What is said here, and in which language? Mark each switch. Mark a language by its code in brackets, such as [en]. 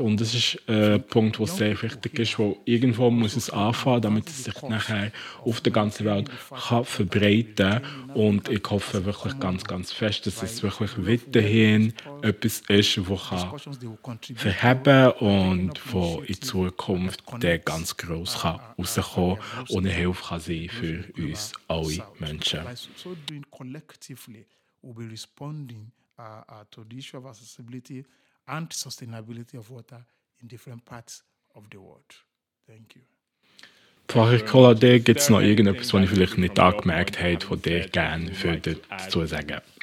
[de] Und das ist ein Punkt, der sehr wichtig ist, wo irgendwo muss es anfangen, damit es sich nachher auf der ganzen Welt kann verbreiten. Und ich hoffe wirklich ganz, ganz fest, dass es wirklich weiterhin etwas ist, das verheben kann und wo in Zukunft der ganz gross rauskommen kann und eine Hilfe sein für uns. [en] So doing collectively, we'll be responding to the issue of accessibility and sustainability of water in different parts of the world. Thank you. [de] Pfarrer Kolade, gibt es noch irgendetwas, was ich vielleicht nicht angemerkt habe, was ihr gerne würdet dazu sagen?